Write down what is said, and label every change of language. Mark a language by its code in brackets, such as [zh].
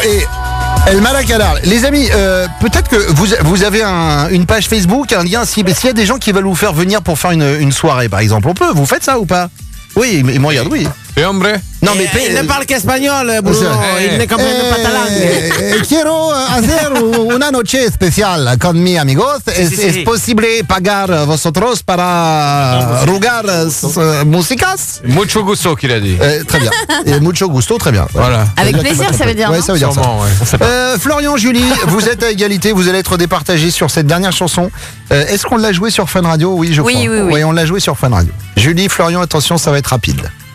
[fr] Et El Malakadar, les amis, peut-être que vous avez une page Facebook, un lien, s'il y a des gens qui veulent vous faire venir pour faire une soirée, par exemple, on peut, vous faites ça ou pas? Oui, il me regarde, oui. Et hombre? Non, mais il ne parle qu'espagnol, Bruno, il ne comprend pas ta langue. [es] Quiero hacer una noche especial con mi amigos. Es posible pagar vosotros para rugar musicas? Mucho gusto, [fr] qu'il a dit. Très bien. Et [es] mucho gusto, [fr] très bien. Voilà. Avec plaisir, ça veut dire. Oui, ça veut dire. Sûrement, ça. Ouais. Florian, Julie, vous êtes à égalité, vous allez être départagés sur cette dernière chanson. Est-ce qu'on l'a joué sur Fun Radio? Oui, je crois. Oui, oui, oui. Oui, on l'a joué sur Fun Radio. Julie, Florian, attention, ça va être rapide.